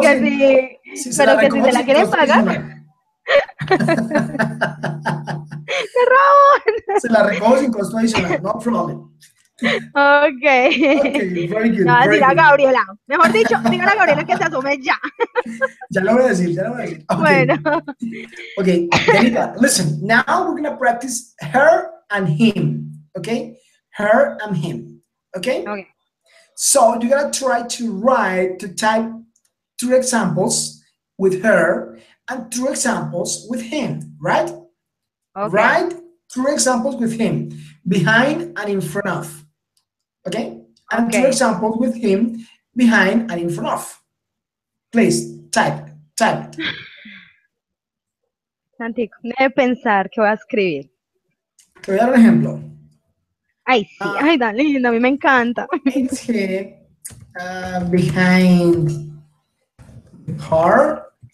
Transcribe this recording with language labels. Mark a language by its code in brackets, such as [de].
[es] Pero que si. Si se la quieren pagar. ¡Qué robón! Se la recojo sin costo adicional, [en] no problem. Ok. [es] Diga Gabriela. Mejor dicho, diga a Gabriela que se asume ya. Ya lo voy a decir. Okay. Bueno. [en] Ok, Danita, listen. Now we're going to practice her and him. Ok. Her and him. Ok. Ok. So you're going to try to write, to type 3 examples with her and 2 examples with him. Right? Okay. Write 3 examples with him. Behind and in front of. Okay? And okay. 2 examples with him, behind and in front of. Please, type it. [es] Santico, me debe pensar que voy a escribir. Te voy a dar un ejemplo. Ay, sí. Ay, tan lindo. A mí me encanta. [en] It's here, behind the car.